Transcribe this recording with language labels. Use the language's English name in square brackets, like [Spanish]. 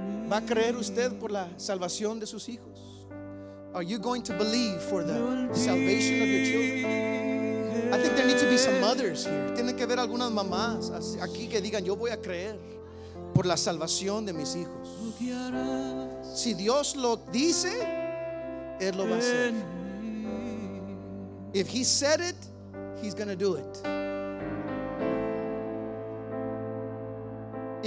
[Spanish] ¿Va a creer usted por la salvación de sus hijos? [English] Are you going to believe for the salvation of your children? I think there need to be some mothers here. [Spanish] Tienen que haber algunas mamás aquí que digan, yo voy a creer por la salvación de mis hijos. Si Dios lo dice, Él lo va a hacer. [English] If He said it, He's going to do it.